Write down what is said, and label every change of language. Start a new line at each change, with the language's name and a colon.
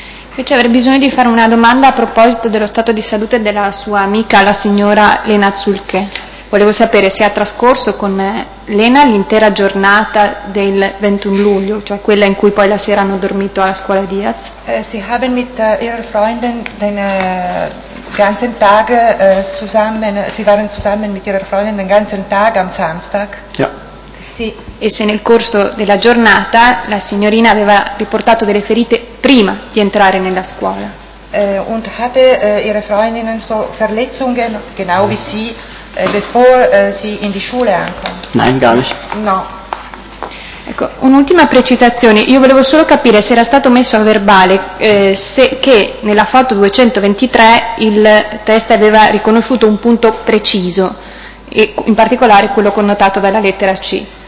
Italian: Invece avrei bisogno di fare una domanda a proposito dello stato di salute della sua amica, la signora Lena Zulke. Volevo sapere se ha trascorso con Lena l'intera giornata del 21 luglio, cioè quella in cui poi la sera hanno dormito alla scuola Diaz.
German: Sie haben mit ihrer Freundin den ganzen Tag zusammen, sie waren zusammen mit ihrer Freundin den ganzen Tag am Samstag. Ja.
Italian: Sì. E se nel corso della giornata la signorina aveva riportato delle ferite prima di entrare nella scuola.
German: Und hatte ihre Freundinnen so Verletzungen, genau wie sie, bevor sie in die Schule ankommen? Nein, gar nicht.
Italian: No. Ecco, un'ultima precisazione. Io volevo solo capire se era stato messo a verbale se che nella foto 223 il test aveva riconosciuto un punto preciso, e in particolare quello connotato dalla lettera C.